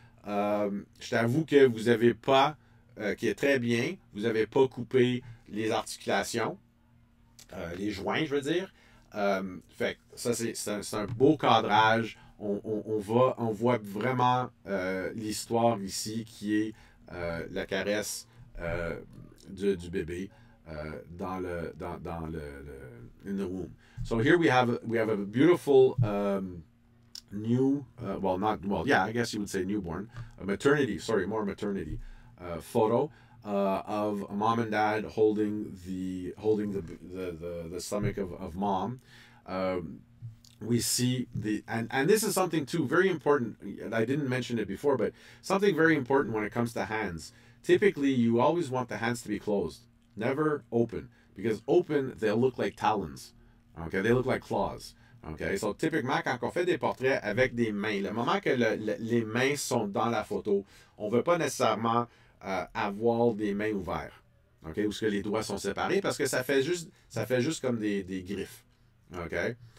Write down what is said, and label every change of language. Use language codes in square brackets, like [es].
[fr] Je t'avoue que vous n'avez pas, qui est très bien, vous n'avez pas coupé les articulations, les joints, je veux dire. Fait que ça, c'est un beau cadrage. On voit vraiment l'histoire ici qui est la caresse du bébé. [en] In the womb. So here we have a beautiful I guess you would say newborn, maternity photo of mom and dad holding the stomach of mom. We see and this is something too very important. I didn't mention it before, but something very important when it comes to hands. Typically, you always want the hands to be closed. Never open, because open, they'll look like talons, okay? They look like claws, okay? [fr] So, typiquement, quand on fait des portraits avec des mains, le moment que les mains sont dans la photo, on ne veut pas nécessairement avoir des mains ouvertes, okay? Où ce que les doigts sont séparés, parce que ça fait juste comme des griffes, okay?